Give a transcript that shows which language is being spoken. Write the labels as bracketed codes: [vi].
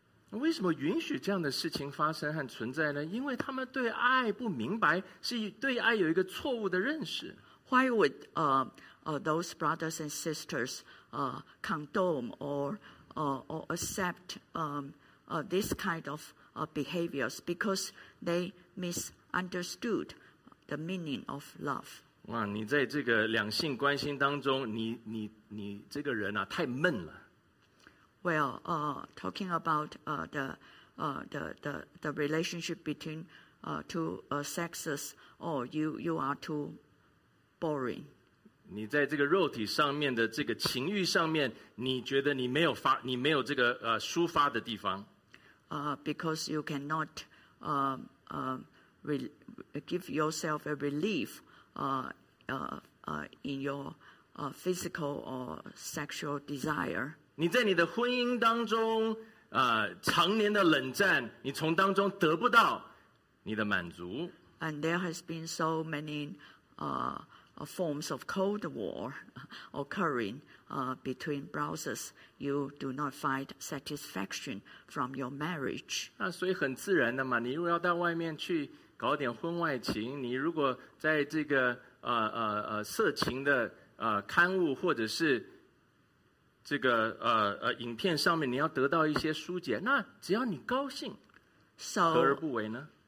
[zh] 为什么允许这样的事情发生和存在呢？因为他们对爱不明白，是对爱有一个错误的认识。 [en] Why would those brothers and sisters condone or accept this kind of behaviors? Because they misunderstood the meaning of love. [zh] 哇，你在这个两性关系当中，你这个人啊，太闷了。 [en] Well, talking about the relationship between two sexes, or you are too boring. [zh] 你在这个肉体上面的这个情欲上面，你觉得你没有这个抒发的地方。 [en] Because you cannot give yourself a relief in your physical or sexual desire. [zh] 你在你的婚姻当中常年的冷战，你从当中得不到你的满足。 [en] And there has been so many forms of cold war occurring between brothers. You do not find satisfaction from your marriage. [zh] 那所以很自然的嘛，你如果要到外面去搞点婚外情，你如果在这个色情的刊物或者是这个影片上面，你要得到一些疏解，那只要你高兴，何而不为呢？